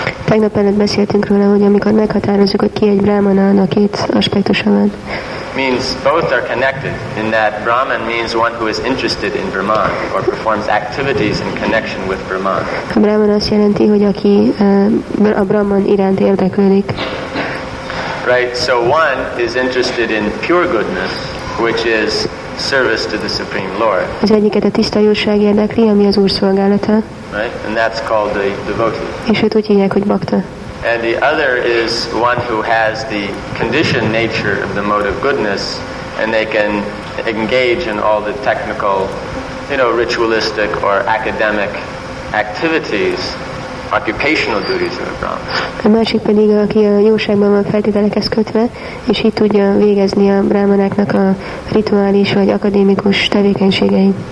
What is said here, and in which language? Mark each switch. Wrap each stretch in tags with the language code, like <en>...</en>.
<hu>Tegnap előtt beszéltünk róla, hogy amikor meghatározzuk, hogy ki egy Brahman, annak két aspektusa van.</hu> <en>Means both are connected in that Brahman means one who is interested in Brahman or performs activities in connection with Brahman.</en> <hu>A Brahman azt jelenti, hogy aki a Brahman iránt érdeklődik.</hu> <en>Right, so one is interested in pure goodness, which is service to the Supreme Lord.</en> <hu>Az egyiket a tiszta jóság érdekli, ami az Úr szolgálata.</hu> <en>Right, and that's called the devotee.</en> <hu>És őt úgy hívják, hogy bhakta.</hu> <en>And the other is one who has the conditioned nature of the mode of goodness, and they can engage in all the technical, you know, ritualistic or academic activities, occupational duties of a Brahman.</en> <hu>A másik pedig, aki a jóságban van feltételekhez kötve, és így tudja végezni a brahmanáknak a rituális vagy akadémikus tevékenységeit.</hu>